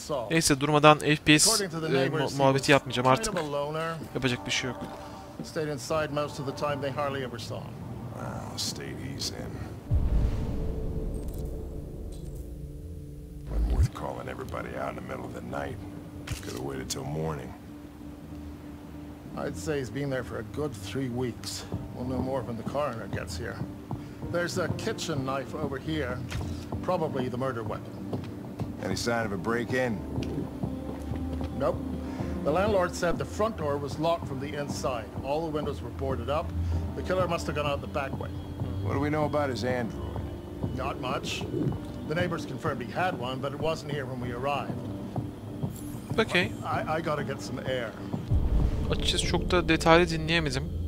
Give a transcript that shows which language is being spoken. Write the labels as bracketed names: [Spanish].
[Turkish] Neyse durmadan FPS muhabbeti yapmayacağım artık. Yapacak bir şey yok. [English] Stayed inside most of the time they hardly ever saw him. Well, stayed easy in. Wasn't worth calling everybody out in the middle of the night. Could have waited till morning. I'd say he's been there for a good 3 weeks. We'll know more when the coroner gets here. There's a kitchen knife over here. Probably the murder weapon. Any sign of a break-in? Nope. The landlord said the front door was locked from the inside. All the windows were boarded up. The killer must have gone out the back way. What do we know about his android? Not much. The neighbors confirmed he had one, but it wasn't here when we arrived. Okay. I gotta get some air. [Turkish] Açıkçası çok da detaylı dinleyemedim.